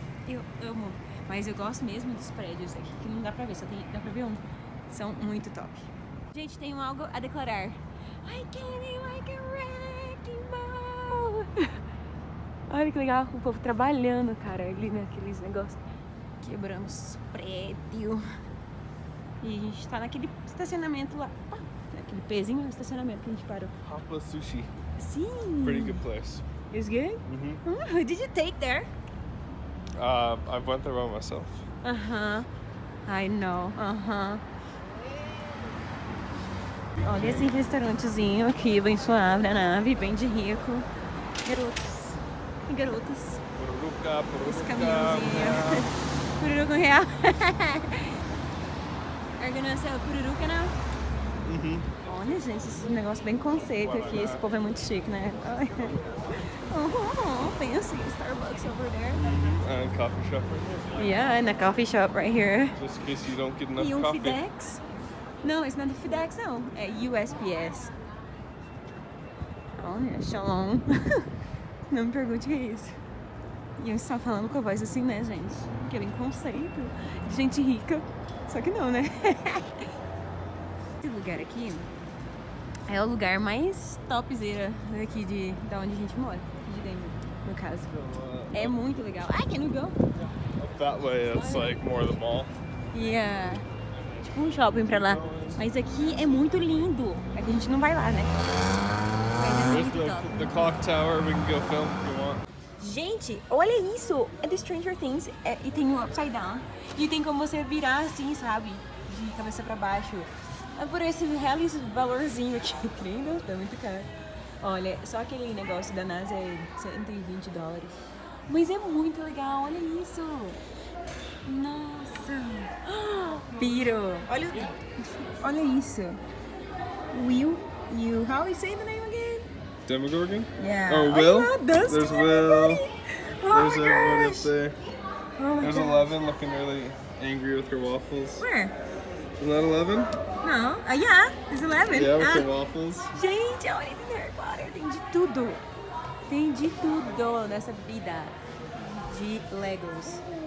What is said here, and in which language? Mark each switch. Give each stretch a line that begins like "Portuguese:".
Portuguese: Eu amo, mas eu gosto mesmo dos prédios aqui, que não dá pra ver, só tem, dá pra ver um. São muito top. Gente, tenho algo a declarar.
English: I came like a wrecking ball.
Portuguese: Olha que legal, o povo trabalhando, cara, ali naqueles negócios. Quebramos prédio. E a gente tá naquele estacionamento lá. Ah, naquele pezinho do estacionamento que a gente parou. Hapa Sushi. Sim.
English: Pretty good place. It's good? Mm-hmm. Who did you take there? I went there by myself. Uh-huh. I know. Uh-huh.
Portuguese: Olha esse restaurantezinho aqui, bem suave, na nave, bem de rico. Garotos. E garotas. Pururuca, pururuca. Esse caminhãozinho. Pururuca real.
English: Are you gonna sell pururuca now? Uh-huh.
Portuguese: Olha, gente, esse negócio bem conceito aqui. Esse povo é muito chique, né?
English: Oh, fancy Starbucks over there. Mm-hmm. And a coffee shop right here. Yeah, and a coffee shop right here. Just in case you don't get enough coffee. FedEx? No, it's not the FedEx, no. At USPS. Oh, yeah, shalom.
Portuguese: Não me pergunte o que é isso. E eu estava falando com a voz assim, né, gente? Que é bem conceito. Gente rica. Só que não, né? Esse lugar aqui é o lugar mais topzera daqui de onde a gente mora. No caso. É muito legal.
English: Ai, can we go? Up that way, it's like more the mall. Yeah.
Portuguese: Tipo um shopping pra lá. Mas aqui é muito lindo. É que a gente não vai lá, né?
English: There's the clock tower, we can go film if you want.
Portuguese: Gente, olha isso! É The Stranger Things e tem um upside down. E tem como você virar assim, sabe? De cabeça pra baixo. É por esse realis valorzinho aqui. Que lindo, tá muito caro. Olha, só aquele negócio da NASA é $120. Mas é muito legal, olha isso! Nossa! Piro! Olha isso!
English: Will you... How do you say the name again? Demogorgon? Yeah. Or Will? There's everybody. Will. There's everybody up there. There's 11 looking really angry with her waffles. Where? Is that 11? No. Yeah, it's 11. Yeah, with the waffles.
Portuguese: Gente, olha isso em Harry Potter. Tem de tudo. Tem de tudo nessa vida de Legos.